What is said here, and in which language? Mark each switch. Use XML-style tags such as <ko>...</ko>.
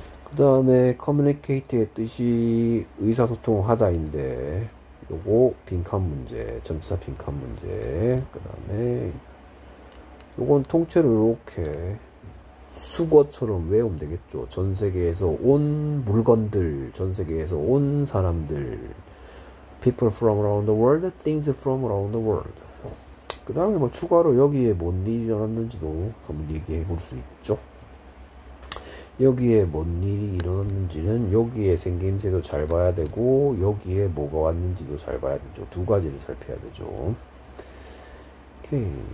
<ko>그 다음에 커뮤니케이트의 뜻이 의사소통하다인데 요거 빈칸 문제, 전치사 빈칸 문제. 그 다음에 요건 통째로 이렇게 숙어처럼 외우면 되겠죠. 전 세계에서 온 물건들, 전 세계에서 온 사람들.</ko> <en>People from around the world, things from around the world.</en> <ko>그 다음에 뭐 추가로 여기에 뭔 일이 일어났는지도 한번 얘기해 볼수 있죠. 여기에 뭔 일이 일어났는지는 여기에 생김새도 잘 봐야 되고, 여기에 뭐가 왔는지도 잘 봐야 되죠. 두 가지를 살펴야 되죠. 오케이.</ko>